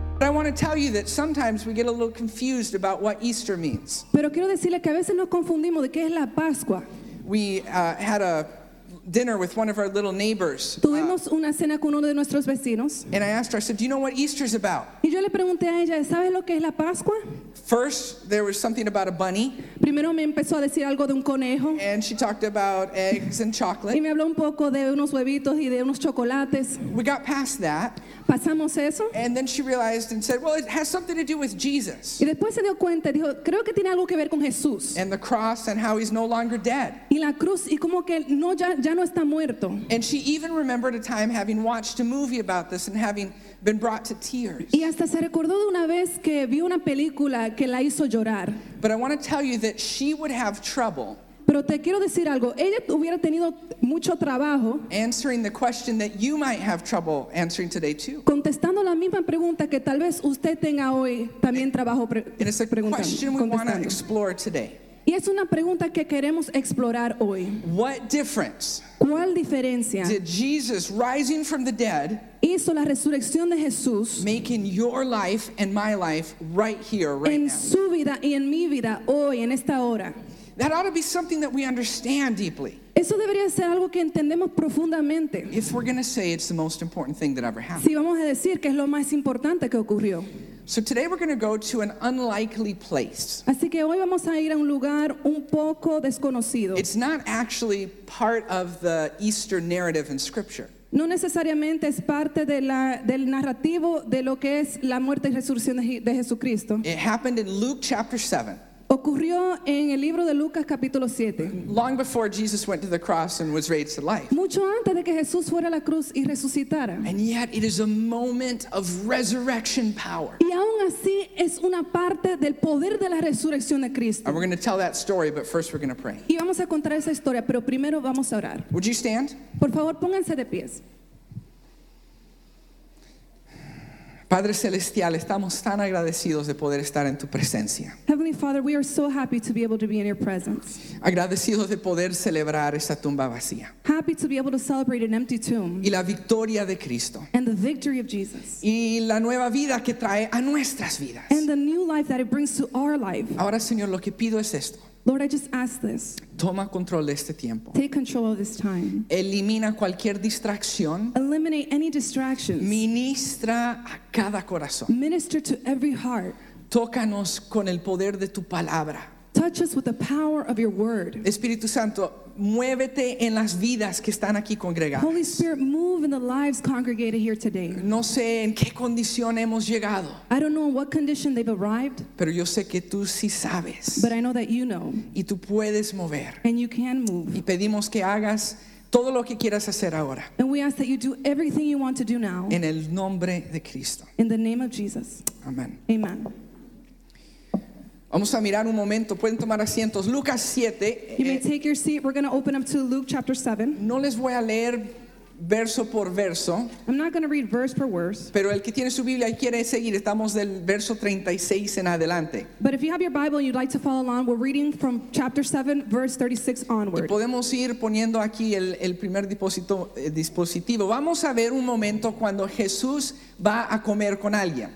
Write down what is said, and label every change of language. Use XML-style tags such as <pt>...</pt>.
<en>want to tell you that sometimes we get a little confused about what Easter means.</en> <es>Pero quiero decirle que a veces nos confundimos de qué es la Pascua.</es> <en>We had a dinner with one of our little neighbors.</en> <es>Tuvimos una cena con uno de nuestros vecinos.</es> <en>And I asked her, I said, do you know what Easter is about?</en> <es>Y yo le pregunté a ella, ¿sabes lo que es la Pascua?</es> <en>First, there was something about a bunny.</en> <es>Primero me empezó a decir algo de un conejo.</es> <en>And she talked about eggs and chocolate.</en> <es>Y me habló un poco de unos huevitos y de unos chocolates.</es> <en>We got past that.</en> <es>Pasamos eso.</es> <en>And then she realized and said, well, it has something to do with Jesus.</en> <es>Y después se dio cuenta, dijo, creo que tiene algo que ver con Jesús.</es> <en>And the cross and how he's no longer dead.</en> <es>Y la cruz y como que no ya no está muerto.</es> <en>And she even remembered a time having watched a movie about this and having been brought to tears.</en> <es>Y hasta se recordó de una vez que vio una película que la hizo llorar.</es> <en>But I want to tell you that she would have trouble.</en> <es>Pero te quiero decir algo, ella hubiera tenido mucho trabajo</es> <en>answering the question that you might have trouble answering today too.</en> <es>Contestando la misma pregunta que tal vez usted tenga hoy también trabajo preguntando.</es> <en>It's a question we want to explore today.</en> <es>Y es una pregunta que queremos explorar hoy.</es> <en>What difference?</en> <es>¿Cuál diferencia?</es> <en>Did Jesus rising from the dead</en> <es>hizo la resurrección de Jesús</es> <en>making your life and my life right here, right</en> <es>en</es> <en>now.</en> <es>Su vida y en mi vida hoy, en esta hora.</es> <en>That ought to be something that we understand deeply.</en> <es>Eso debería ser algo que entendemos profundamente.</es> <en>If we're going to say it's the most important thing that ever happened.</en> <es>Si vamos a decir que es lo más importante que ocurrió.</es> <en>So today we're going to go to an unlikely place.</en> <es>Así que hoy vamos a ir a un lugar un poco desconocido.</es> <en>It's not actually part of the Easter narrative in Scripture.</en> <es>No necesariamente es parte de la, del narrativo de lo que es la muerte y resurrección de Jesucristo.</es> <en>It happened in Luke chapter 7.</en> <es>Ocurrió en el libro de Lucas capítulo 7.</es> <en>Long before Jesus went to the cross and was raised to life.</en> <es>Mucho antes de que Jesús fuera a la cruz y resucitara.</es> <en>And yet it is a moment of resurrection power.</en> <es>Y aún así es una parte del poder de la resurrección de Cristo.</es> <en>And we're going to tell that story, but first we're going to pray.</en> <es>Y vamos a contar esa historia, pero primero vamos a orar.</es> <en>Would you stand?</en> <es>Por favor, pónganse de pies. Padre celestial, estamos tan agradecidos de poder estar en tu presencia.</es> <en>Heavenly Father, we are so happy to be able to be in your presence.</en> <es>Agradecidos de poder celebrar esa tumba vacía.</es> <en>Happy to be able to celebrate an empty tomb.</en> <es>Y la victoria de Cristo.</es> <en>And the victory of Jesus.</en> <es>Y la nueva vida que trae a nuestras vidas.</es> <en>And the new life that it brings to our life.</en> <es>Ahora, Señor, lo que pido es esto.</es> <en>Lord, I just ask this.</en> <es>Toma control de este tiempo.</es> <en>Take control of this time.</en> <es>Elimina cualquier distracción.</es> <en>Eliminate any distractions.</en> <es>Ministra a cada corazón.</es> <en>Minister to every heart.</en> <es>Tócanos con el poder de tu palabra.</es> <en>Touch us with the power of your word.</en> <es>Espíritu Santo, muévete en las vidas que están aquí congregadas.</es> <en>Holy Spirit, move in the lives congregated here today.</en> <es>No sé en qué condición hemos llegado.</es> <en>I don't know in what condition they've arrived.</en> <es>Pero yo sé que tú sí sabes.</es> <en>But I know that you know.</en> <es>Y tú puedes mover.</es> <en>And you can move.</en> <es>Y pedimos que hagas todo lo que quieras hacer ahora.</es> <en>And we ask that you do everything you want to do now.</en> <es>En el nombre de Cristo.</es> <en>In the name of Jesus. Amen. Amen.</en> <es>Vamos a mirar un momento, pueden tomar asientos. Lucas 7.</es> <en>You may take your seat, we're going to open up to Luke chapter 7.</en> <es>No les voy a leer verso por verso.</es> <en>I'm not going to read verse for verse.</en> <es>Pero el que tiene su Biblia y quiere seguir, estamos del verso 36 en adelante.</es> <en>But if you have your Bible and you'd like to follow along, we're reading from chapter 7, verse 36 onward.</en> <es>Y podemos ir poniendo aquí el primer dispositivo. Vamos a ver un momento cuando Jesús va a comer con alguien.</es>